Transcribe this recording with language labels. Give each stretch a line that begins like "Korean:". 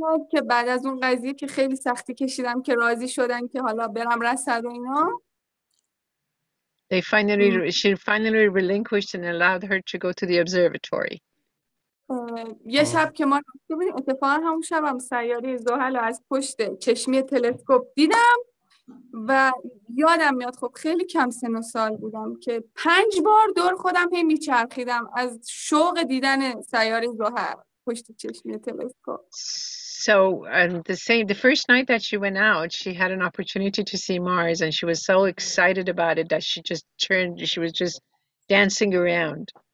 Persian: که بعد از اون قضیه که خیلی سختی کشیدم که راضی شدن که حالا برم رسد و اینا.
English: She finally relinquished and allowed her to go to the observatory.
Persian: یه شب که ما رفته بودیم اتفاقا همون شب هم سیاره زحل رو از پشت چشمی تلسکوپ دیدم و یادم میاد خب خیلی کم سن و سال بودم که 5 بار دور خودم هی میچرخیدم از شوق دیدن سیاره زحل پشت چشم تلسکوپ.
English: So the first night that she went out, she had an opportunity to see Mars, and she was so excited about it that she was just dancing around.